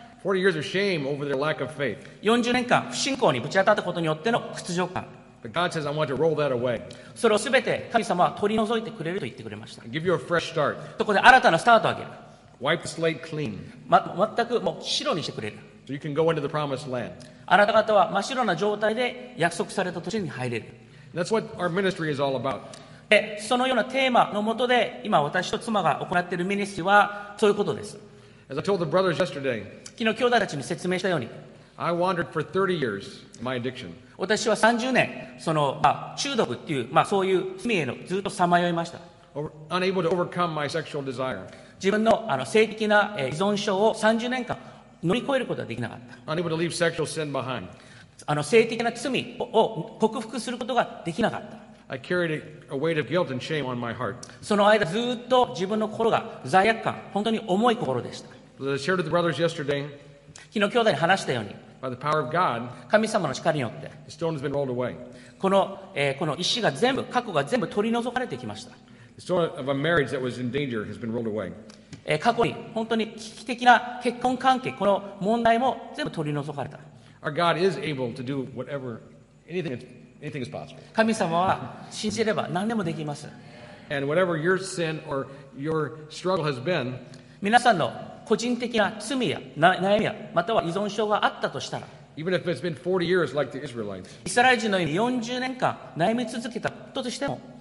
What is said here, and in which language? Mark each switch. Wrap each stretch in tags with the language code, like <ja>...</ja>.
<en>40 years of shame over their lack of faith.</en> <ja>40年間不信仰にぶち当たったことによっての屈辱感。</ja> <en>But God says, I want to roll that away.</en> <ja>それをすべて神様は取り除いてくれると言ってくれました。</ja> <en>Give you a fresh start.</en> <ja>そこで新たなスタートをあげる。</ja> <en>Wipe the slate clean.</en> <ja>全くもう白にしてくれる。</ja> <en>So you can go into the promised land.</en> <ja>あなた方は真っ白な状態で約束された土地に入れる。</ja> <en>That's what our ministry is all about.</en> <ja>そのようなテーマのもとで今私と妻が行っているミニストリーはそういうことです。</ja> <en>As I told the brothers yesterday,</en> <ja>昨日兄弟たちに説明したように</ja> <en>I wandered for 30 years in my addiction.</en> <ja>私は30年その、まあ、中毒っていう、まあ、そういう罪へのずっとさまよいました。</ja> <en>Unable to overcome my sexual desire.</en> <ja>自分の、性的な依存症を30年間乗り越えることはできなかった。</ja> <en>Unable to leave sexual sin behind.</en> <ja>性的な罪を克服することができなかった。</ja> <en>I carried a weight of guilt and shame on my heart.</en> <ja>その間ずっと自分の心が罪悪感、本当に重い心でした。</ja> <en>As I shared with the brothers yesterday,</en> <ja>昨日兄弟に話したように、</ja> <en>By the power of God,</en> <ja>神様の力によって、</ja> <en>the stone has been rolled away.</en> <ja>この石が全部、過去が全部取り除かれてきました。</ja> <en>The stone of a marriage that was in danger has been rolled away.</en> <ja>過去に本当に危機的な結婚関係、この問題も全部取り除かれた。</ja> <en>Our God is able to do whatever, anything that's Anything is possible.</en> <ja>神様は信じれば何でもできます。</ja> <en>And whatever your sin or your struggle has been,</en> <ja>皆さんの個人的な罪や悩みや、または依存症があったとしたら、</ja> <en>Even if it's been 40 years like the Israelites,</en> <ja>イスラエル人のように40年間悩み続けたとしても、</ja>